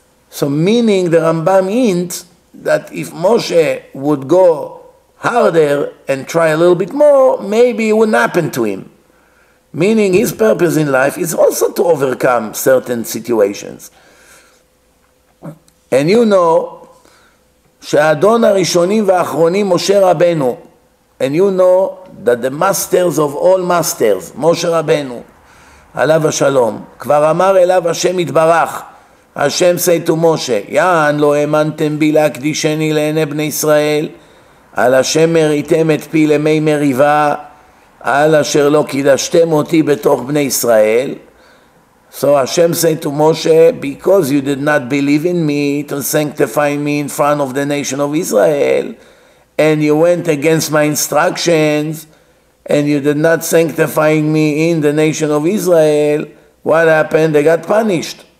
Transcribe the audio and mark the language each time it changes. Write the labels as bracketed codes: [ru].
[en] So meaning the Rambam hints that if Moshe would go harder and try a little bit more, maybe it wouldn't happen to him. Meaning his purpose in life is also to overcome certain situations. And you know, [he] שהאדון הראשונים והאחרונים משה רבנו, [en] and you know that the masters of all masters, [he] משה רבנו, עליו השלום, כבר אמר אליו השם יתברך, השם [en] say to [he] משה, יען לא האמנתם בי להקדישני לעיני בני ישראל, על השם מריתם את פי למי מריבה, על אשר לא קידשתם אותי בתוך בני ישראל. [en] So Hashem said to Moshe, because you did not believe in me to sanctify me in front of the nation of Israel, and you went against my instructions, and you did not sanctify me in the nation of Israel, what happened? They got punished.